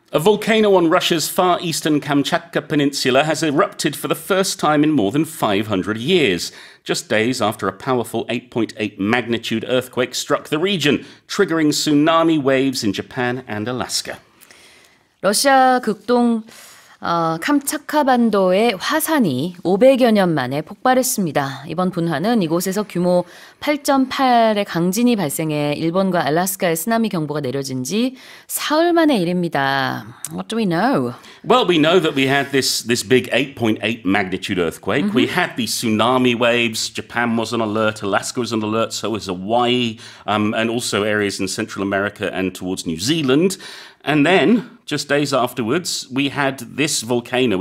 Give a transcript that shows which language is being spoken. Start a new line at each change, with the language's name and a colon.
English: A volcano on Russia's far eastern Kamchatka Peninsula has erupted for the first time in more than 500 years, just days after a powerful 8.8 magnitude earthquake struck the region, triggering tsunami waves in Japan and Alaska.
Korean: 러시아 극동 캄차카반도의 화산이 500여 년 만에 폭발했습니다. 이번 분화는 이곳에서 규모 8.8의 강진이 발생해 일본과 알래스카에 쓰나미 경보가 내려진 지 사흘 만의 일입니다.
English: What do we know? Well, we know that we had this big 8.8 magnitude earthquake. Mm-hmm. We had these tsunami waves. Japan was on alert. Alaska was on alert. So was Hawaii, and also areas in Central America and towards New Zealand. And then, just days afterwards, we had this volcano.